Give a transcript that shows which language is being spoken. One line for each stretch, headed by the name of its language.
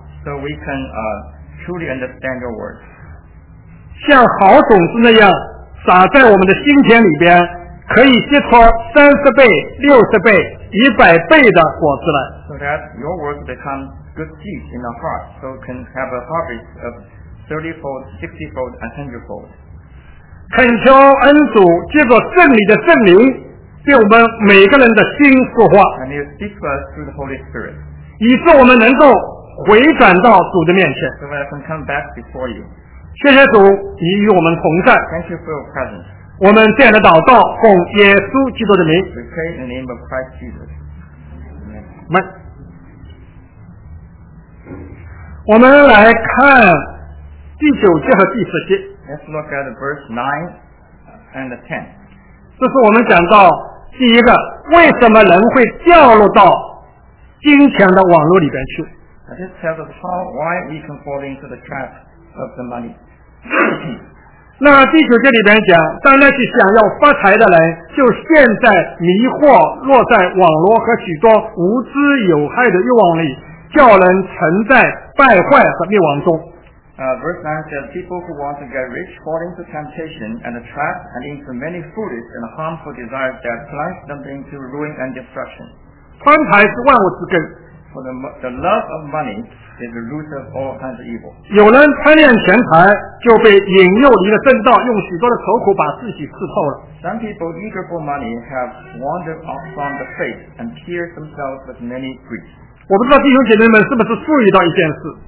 English: So we can truly understand your word.
Chinese: 像好种子那样撒在我们的心田里边，可以结出30倍、60倍、100倍的果子来。
English: So that your word becomes good seed in our heart, so can have a harvest of 30-fold, 60-fold, and 100-fold.
Chinese: 恳求恩主借着圣灵的圣灵，对我们每个人的心说话。
English: And you speak to us through the Holy Spirit.
Chinese: 以致我们能够回转到主的面前。
English: So that I can come back before you.
Chinese: 谢谢主，你与我们同在。
English: Thank you for your presence.
Chinese: 我们这样的祷告，奉耶稣基督的名。
English: We pray in the name of Christ Jesus. Amen.
Chinese: 我们来看第九节和第十节。
English: Let's look at verse 9 and 10.
Chinese: 这是我们讲到第一个，为什么人会掉落到金钱的网络里边去。
English: This tells us how, why we can fall into the trap of the money.
Chinese: 那第九节里边讲，当那些想要发财的人，就陷在迷惑，落在网罗和许多无知有害的欲望里，叫人沉在败坏和灭亡中。
English: verse 9 says, people who want to get rich fall into temptation and a trap and into many foolish and harmful desires that plunge them into ruin and destruction.
Chinese: 贪财是万物之根。
English: For the love of money is the root of all kinds of evil.
Chinese: 有人贪恋钱财，就被引诱离了正道，用许多的愁苦把自己刺透了。
English: Some people eager for money have wandered off from the faith and pierced themselves with many griefs.
Chinese: 我不知道弟兄姐妹们是不是注意到一件事。